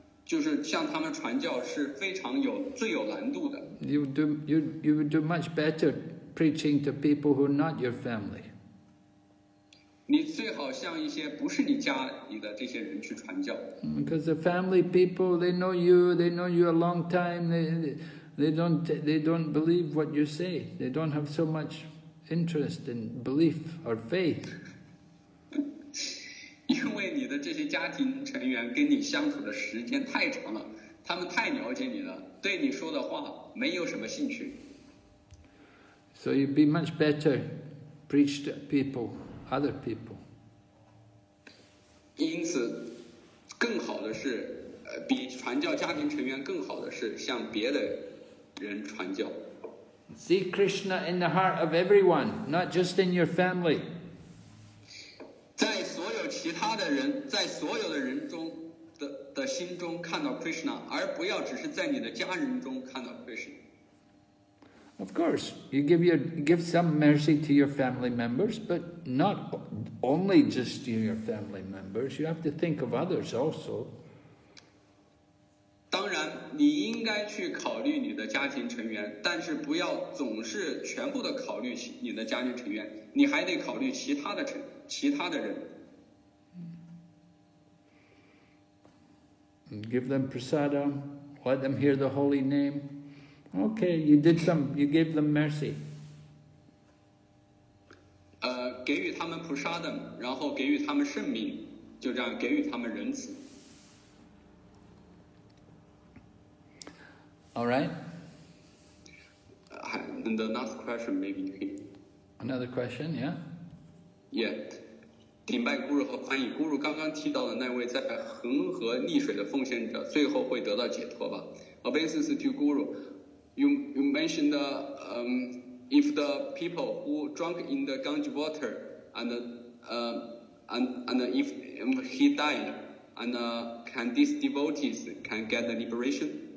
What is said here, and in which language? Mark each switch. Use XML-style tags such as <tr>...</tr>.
<zh>就是向他们传教是非常有最有难度的。</zh> <en>You would do much better preaching to people who are not your family.</en> <zh>你最好向一些不是你家里的这些人去传教。</zh> <en>Because the family people, they know you a long time, they don't believe what you say. They don't have so much interest in belief or faith.</en> <zh>因为你的这些家庭成员跟你相处的时间太长了，他们太了解你了，对你说的话没有什么兴趣。</zh> <en>So you'd be much better preach to people, other people.</en> <zh>因此，更好的是，比传教家庭成员更好的是向别的人传教。</zh> <en>See Krishna in the heart of everyone, not just in your family.</en> <zh>其他的人在所有的人中 的心中看到 Krishna， 而不要只是在你的家人中看到 Krishna。</zh> <en>Of course, you give some mercy to your family members, but not only just to your family members. You have to think of others also.</en> <zh>当然，你应该去考虑你的家庭成员，但是不要总是全部的考虑你的家庭成员，你还得考虑其他的人。</zh> <en>And give them prasadam, let them hear the holy name. Okay, you did some, you gave them mercy.</en> <zh>给予他们 prasadam, 然后给予他们圣名，就这样给予他们仁慈。</zh> <en>All right. And the last question, maybe. Another question, yeah? Yeah.</en> <zh>顶拜咕噜和宽以咕噜刚刚提到的那位在恒河溺水的奉献者最后会得到解脱吧。</zh> <en>Obeisance to Guru, you mentioned if the people who drunk in the Ganges water and if he died, and can these devotees can get the liberation?</en>